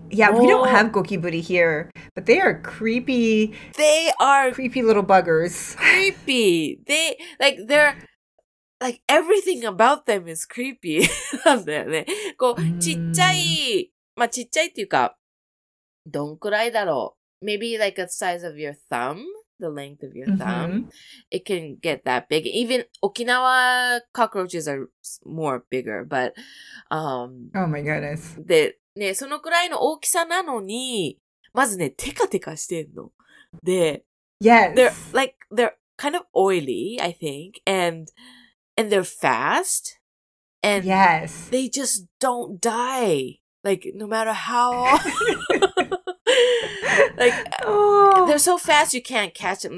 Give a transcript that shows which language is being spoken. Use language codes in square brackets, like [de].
[en] Yeah, we don't have ゴキブリ here, but they are creepy. They are creepy little buggers. Creepy. They, like, they're, like, everything about them is creepy. [ja] なんだよね。こう、ちっちゃい、まあ、ちっちゃいっていうか、どんくらいだろう。 [en] Maybe like the size of your thumb. The length of your thumb,、it can get that big. Even Okinawa cockroaches are more bigger, but oh my goodness. [ja] で、ね、そのくらいの大きさなのに、まずね、テカテカしてんの。で、 [en] yes. They're like they're kind of oily, I think, and they're fast, and yes, they just don't die. Like no matter how. Like, they're so fast you can't catch them.